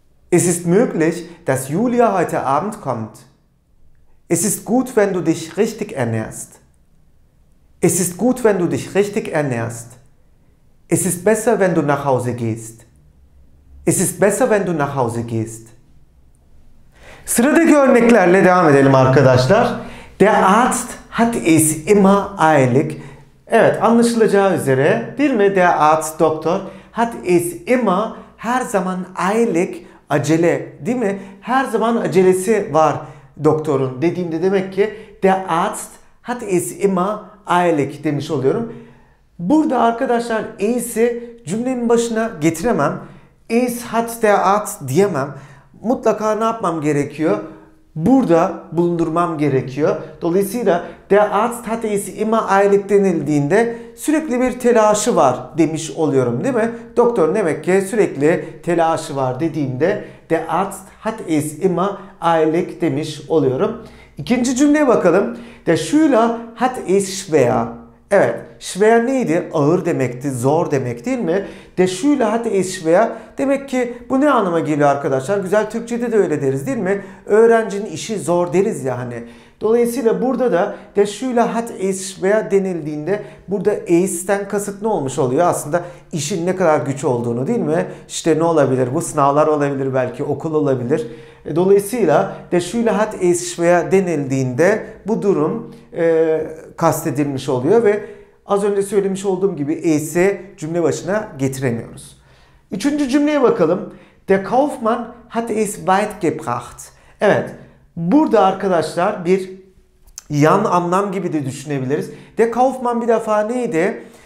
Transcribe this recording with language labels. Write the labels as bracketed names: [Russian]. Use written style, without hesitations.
[German] Es ist möglich, dass Julia heute Abend kommt. Es ist gut, wenn du dich richtig ernährst. Es ist gut, wenn du dich richtig ernährst. Es ist besser, wenn du nach Hause gehst. Es ist besser, wenn du nach Hause gehst. [Turkish] Sıradaki örneklerle devam edelim arkadaşlar. [German] Der Arzt hat es immer eilig. [Turkish] Evet, anlaşılacağı üzere değil mi? [German] Der Arzt, [Turkish] doktor, [German] hat es immer, [Turkish] her zaman [German] eilig, [Turkish] acele değil mi? Her zaman acelesi var doktorun dediğinde demek ki [German] der Arzt hat es immer eilig [Turkish] demiş oluyorum. Burada arkadaşlar es'i cümlenin başına getiremem. [German] Es hat der Arzt [Turkish] diyemem. Mutlaka ne yapmam gerekiyor? Burada bulundurmam gerekiyor. Dolayısıyla [German] der Arzt hat es immer eilig [Turkish] denildiğinde sürekli bir telaşı var demiş oluyorum, değil mi? Doktor demek ki sürekli telaşı var dediğimde [German] der Arzt hat es immer eilig [Turkish] demiş oluyorum. İkinci cümleye bakalım. [German] Der Schüler hat es schwer. [Turkish] Evet, schwer neydi? Ağır demekti, zor demek değil mi? [German] Der Schüler hat es schwer. [Turkish] Demek ki bu ne anlama geliyor arkadaşlar? Güzel Türkçe'de de öyle deriz değil mi? Öğrencinin işi zor deriz ya hani. Dolayısıyla burada da [German] der Schüler hat es schwer [Turkish] denildiğinde burada es'ten kasıt ne olmuş oluyor? Aslında işin ne kadar güç olduğunu değil mi? İşte ne olabilir? Bu sınavlar olabilir belki, okul olabilir. Dolayısıyla [German] der Schüler hat es schwer [Turkish] denildiğinde bu durum kastedilmiş oluyor ve az önce söylemiş olduğum gibi es'i cümle başına getiremiyoruz. Üçüncü cümleye bakalım. [German] Der Kaufmann hat es weit gebracht. [Turkish] Evet, burada arkadaşlar bir yan anlam gibi de düşünebiliriz. Der Kaufmann bir defa neydi?